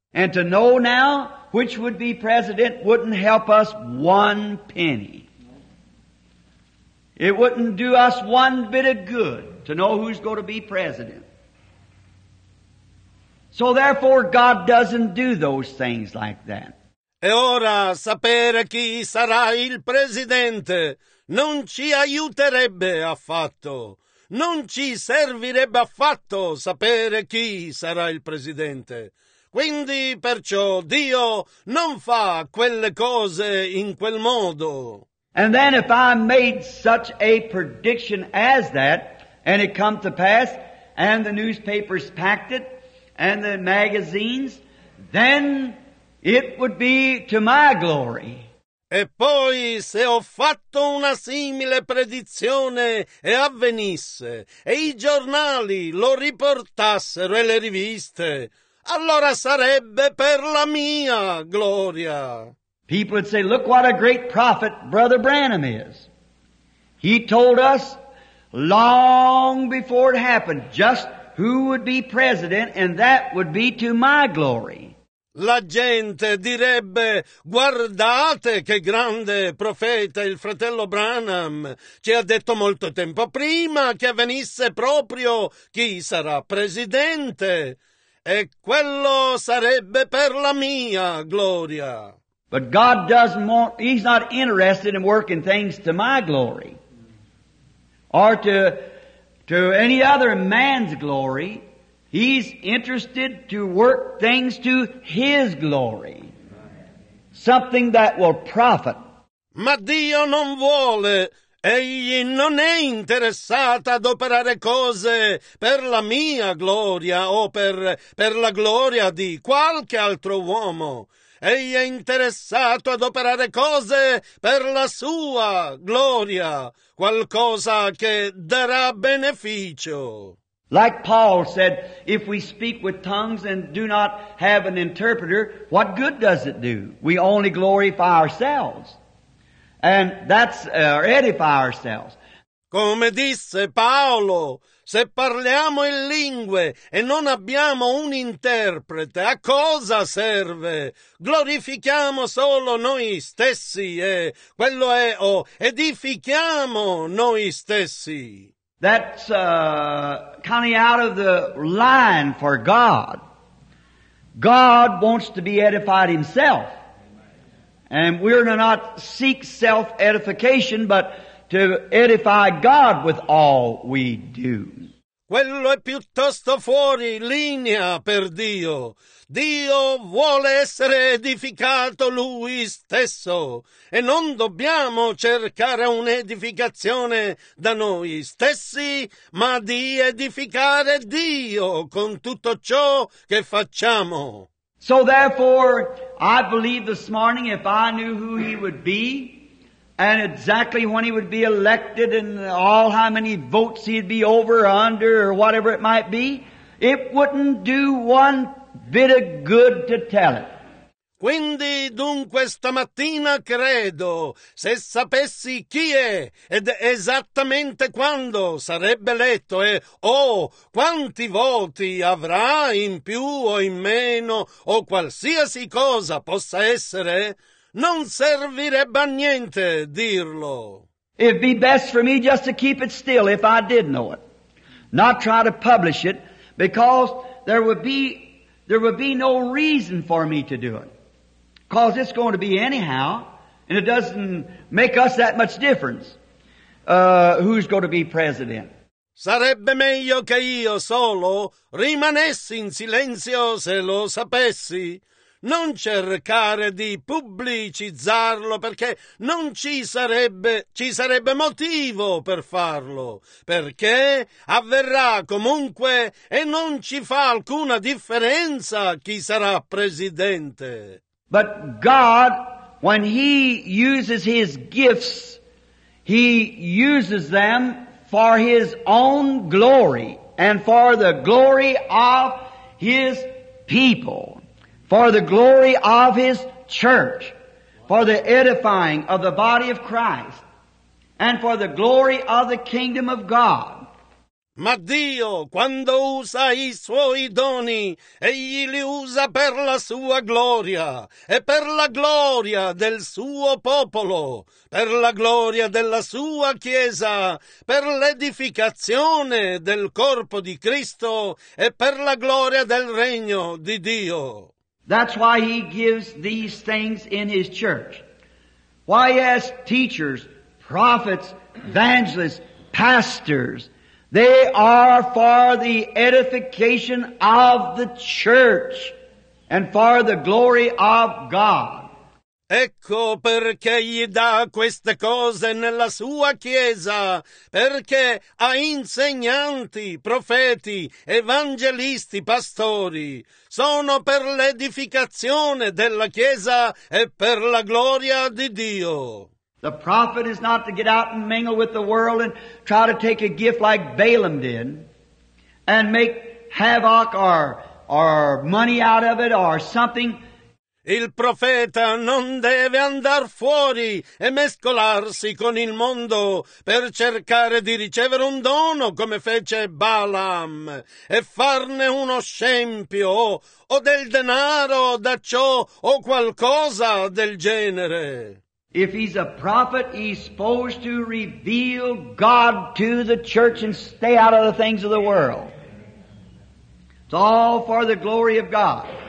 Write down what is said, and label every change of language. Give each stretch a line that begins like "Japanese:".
English: And to know now which would be president wouldn't help us one penny. It wouldn't do us one bit of good to know who's going to be president. So therefore God doesn't do those things like that.
Italian: E ora sapere chi sarà il presidente non ci aiuterebbe affatto. Non ci servirebbe affatto sapere chi sarà il presidente. Quindi, perciò, Dio non fa quelle cose in quel modo.
English: And then if I made such a prediction as that, and it come to pass, and the newspapers packed it, and the magazines, then it would be to my glory.
Italian: E poi se ho fatto una simile predizione e avvenisse, e i giornali lo riportassero e le riviste, allora sarebbe per la mia gloria.
English: People would say, look what a great prophet Brother Branham is. He told us long before it happened just who would be president, and that would be to my glory.
Italian: La gente direbbe, guardate che grande profeta il fratello Branham ci ha detto molto tempo prima che avvenisse proprio chi sarà presidente, e quello sarebbe per la mia gloria.
English: But God doesn't want, He's not interested in working things to my glory or to any other man's glory. He's interested to work things to His glory, something that will profit.
Italian: Ma Dio non vuole, Egli non è interessato ad operare cose per la mia gloria o per la gloria di qualche altro uomo. Egli è interessato ad operare cose per la sua gloria, qualcosa che darà beneficio.
English: Like Paul said, if we speak with tongues and do not have an interpreter, what good does it do? We only glorify ourselves. And that's edify ourselves.
Italian: Come disse Paolo, se parliamo in lingue e non abbiamo un interprete, a cosa serve? Glorifichiamo solo noi stessi e quello è o edifichiamo noi stessi.
English: That's coming out of the line for God. God wants to be edified Himself. And we're to not seek self-edification, but to edify God with all we do.
Italian: Quello è piuttosto fuori linea per Dio. Dio vuole essere edificato Lui stesso, e non dobbiamo cercare un'edificazione da noi stessi, ma di edificare Dio con tutto ciò che facciamo.
English: So therefore, I believe this morning if I knew who he would be and exactly when he would be elected and all how many votes he'd be over or under or whatever it might be, it wouldn't do one bit of good to tell it.
Italian: Quindi, dunque, stamattina credo, se sapessi chi è ed esattamente quando sarebbe eletto e quanti voti avrà in più o in meno o qualsiasi cosa possa essere, non servirebbe a niente dirlo.
English: It'd be best for me just to keep it still if I did know it, not try to publish it, because there would be no reason for me to do it. Because it's going to be anyhow, and it doesn't make us that much difference who's going to be president.
Italian: Sarebbe meglio che io solo rimanessi in silenzio se lo sapessi. Non cercare di pubblicizzarlo, perché non ci sarebbe motivo per farlo, perché avverrà comunque e non ci fa alcuna differenza chi sarà presidente.
English: But God, when he uses his gifts, he uses them for his own glory and for the glory of his people, for the glory of his church, for the edifying of the body of Christ, and for the glory of the kingdom of God.
Italian: Ma Dio, quando usa i suoi doni, egli li usa per la sua gloria e per la gloria del suo popolo, per la gloria della sua chiesa, per l'edificazione del corpo di Cristo e per la gloria del regno di Dio.
English: That's why he gives these things in his church. Why he has teachers, prophets, evangelists, pastors. They are for the edification of the church and for the glory of God.
Italian: Ecco perché gli dà queste cose nella sua chiesa, perché ha insegnanti, profeti, evangelisti, pastori. Sono per l'edificazione della chiesa e per la gloria di Dio.
English: The prophet is not to get out and mingle with the world and try to take a gift like Balaam did and make havoc or money out of it or something.
Italian: Il profeta non deve andar fuori e mescolarsi con il mondo per cercare di ricevere un dono come fece Balaam e farne uno scempio o del denaro da ciò o qualcosa del genere.
English: If he's a prophet, he's supposed to reveal God to the church and stay out of the things of the world. It's all for the glory of God.